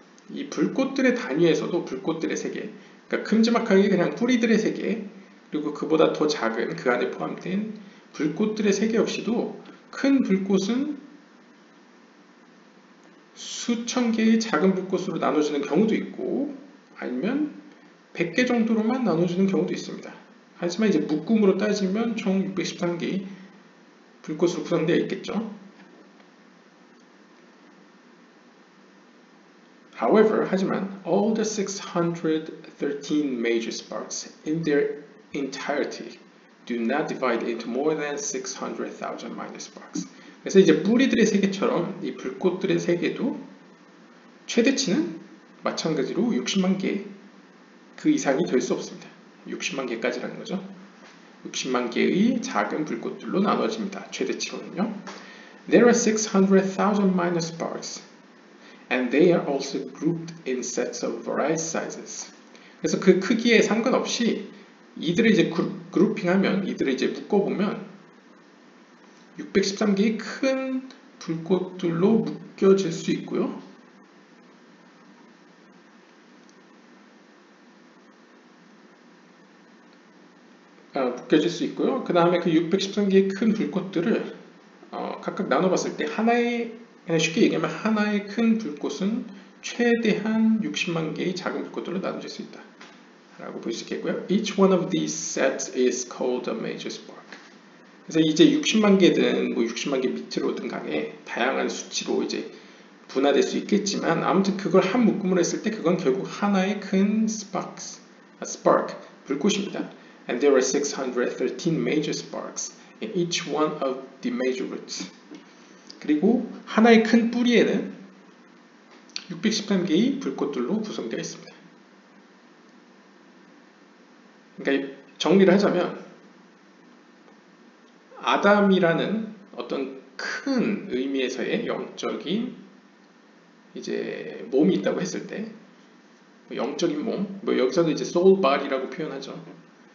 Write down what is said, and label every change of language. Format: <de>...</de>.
<ko>이 불꽃들의 단위에서도 불꽃들의 세계, 그러니까 큼지막하게 그냥 뿌리들의 세계, 그리고 그보다 더 작은 그 안에 포함된 불꽃들의 세계 역시도 큰 불꽃은 수천 개의 작은 불꽃으로 나눠지는 경우도 있고 아니면 100개 정도로만 나눠지는 경우도 있습니다. 하지만 이제 묶음으로 따지면 총 613개의 불꽃으로 구성되어 있겠죠.</ko> <en>However,</en> <ko>하지만</ko> <en>all the 613 major sparks in their entirety do not divide into more than 600,000 minor sparks.</en> <ko>그래서 이제 뿌리들의 세계처럼 이 불꽃들의 세계도 최대치는 마찬가지로 60만 개 그 이상이 될 수 없습니다. 60만 개까지라는 거죠. 60만 개의 작은 불꽃들로 나눠집니다. 최대치로는요.</ko> <en>There are 600,000 minor sparks. And they are also grouped in sets of various sizes.</en> <ko>그래서 그 크기에 상관없이 이들을 이제 그룹핑하면 이들을 이제 묶어보면 613개의 큰 불꽃들로 묶여질 수 있고요. 묶여질 수 있고요. 그 다음에 그 613개의 큰 불꽃들을 각각 나눠봤을 때 하나의 그냥 쉽게 얘기하면 하나의 큰 불꽃은 최대한 60만 개의 작은 불꽃들로 나눠질 수 있다 라고 볼 수 있겠고요.</ko> <en>Each one of these sets is called a major spark.</en> <ko>그래서 이제 60만 개든 뭐 60만 개 밑으로든 간에 다양한 수치로 이제 분화될 수 있겠지만 아무튼 그걸 한 묶음으로 했을 때 그건 결국 하나의 큰 spark, 불꽃입니다.</ko> <en>And there are 613 major sparks in each one of the major roots.</en> <ko>그리고 하나의 큰 뿌리에는 613개의 불꽃들로 구성되어 있습니다. 그러니까 정리를 하자면 아담이라는 어떤 큰 의미에서의 영적인 이제 몸이 있다고 했을 때 영적인 몸, 뭐 여기서는 이제 soul body라고 표현하죠.</ko>